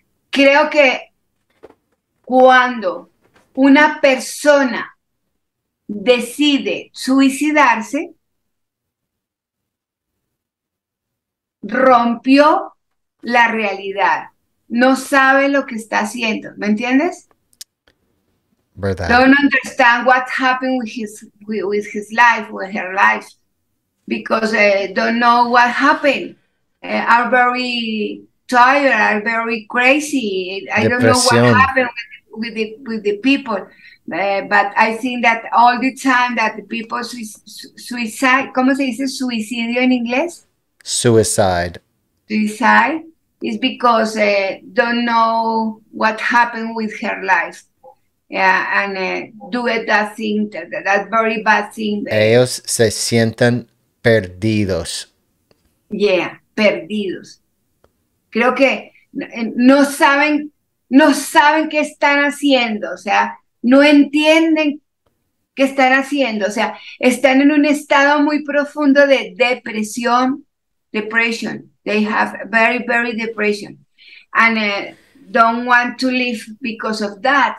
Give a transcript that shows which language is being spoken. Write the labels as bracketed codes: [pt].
[es] Creo que cuando una persona decide suicidarse, rompió la realidad, no sabe lo que está haciendo, ¿me entiendes? ¿Verdad? [en] Don't understand what happened with his life, with her life, because don't know what happened. Are very tired, are very crazy. I don't know what [es] Depresión. [en] happened with the people, but I think that all the time that the people suicide, [es] ¿cómo se dice suicidio en inglés? [en] Suicide. Suicide is because don't know what happened with her life. Yeah, and do it that thing, that very bad thing. [es] Ellos se sienten perdidos. [en] Yeah, perdidos. [es] Creo que no saben qué están haciendo, o sea, no entienden qué están haciendo, o sea, están en un estado muy profundo de depresión, depression. [en] They have very, very depression. And don't want to live because of that.